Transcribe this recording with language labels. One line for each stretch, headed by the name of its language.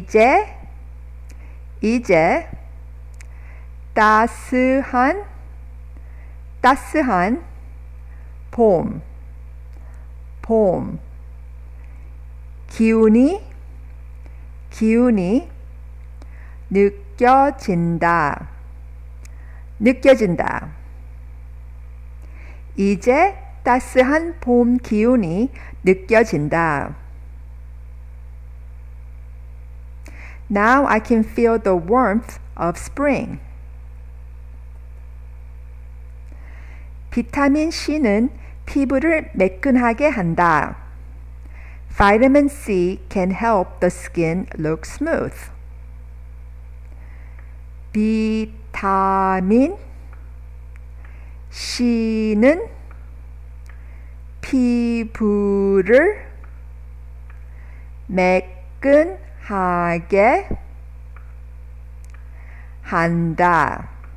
Korean: 이제 이제 따스한 따스한 봄 봄 기운이 기운이 느껴진다 느껴진다. 이제 따스한 봄 기운이 느껴진다.
English: Now I can feel the warmth of spring.
Korean: 비타민 C는 피부를 매끈하게 한다.
English: Vitamin C can help the skin look smooth.
Korean: 비타민 C는 피부를 매끈하게 한다.